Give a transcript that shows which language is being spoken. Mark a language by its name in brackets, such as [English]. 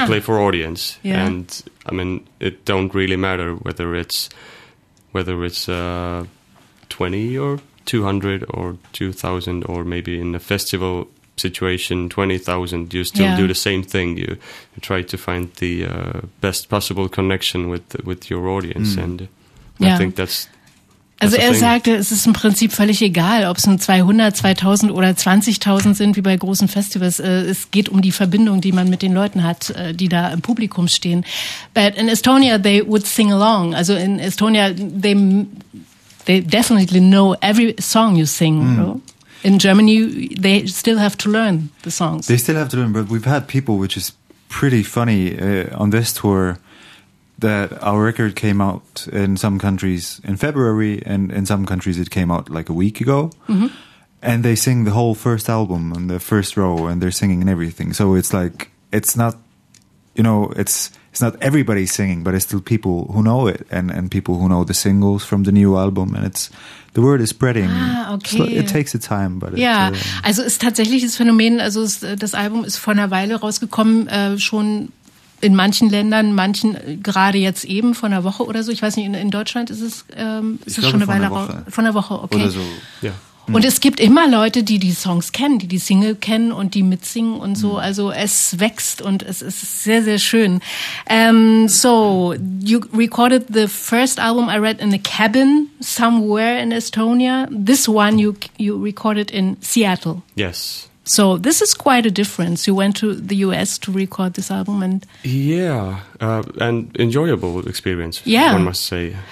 [English] You play for audience, and I mean, it don't really matter whether it's 20 or 200 or 2,000, or maybe in a festival situation 20,000. You still do the same thing. You try to find the best possible connection with your audience, and I think that's. [German] Also er sagte, es ist im Prinzip völlig egal, ob es nur 200, 2000 oder 20.000 sind, wie bei großen Festivals. Es geht um die Verbindung, die man mit den Leuten hat, die da im Publikum stehen. [English] But in Estonia, they would sing along. Also in Estonia, they definitely know every song you sing. Mm. In Germany, they still have to learn the songs. They still have to learn, but we've had people, which is pretty funny, on this tour, that our record came out in some countries in February, and in some countries it came out like a week ago. Mm-hmm. And they sing the whole first album in the first row, and they're singing and everything. So it's like, it's not, you know, it's not everybody singing, but it's still people who know it and people who know the singles from the new album. And it's, the word is spreading. Ah, okay. So it takes a time, but yeah. [German] Also ist tatsächlich das Phänomen, also das Album ist vor einer Weile rausgekommen, schon in manchen Ländern, manchen gerade jetzt eben von einer Woche oder so. Ich weiß nicht, in Deutschland ist es, ist es schon eine Weile raus. Von einer Woche, okay. Oder so. Ja. Und es gibt immer Leute, die die Songs kennen, die die Single kennen und die mitsingen und so. Mhm. Also es wächst und es ist sehr, sehr schön. [English] So, you recorded the first album I read in a cabin somewhere in Estonia. This one you recorded in Seattle. Yes. So this is quite a difference. You went to the US to record this album and... Yeah, and enjoyable experience, yeah. One must say.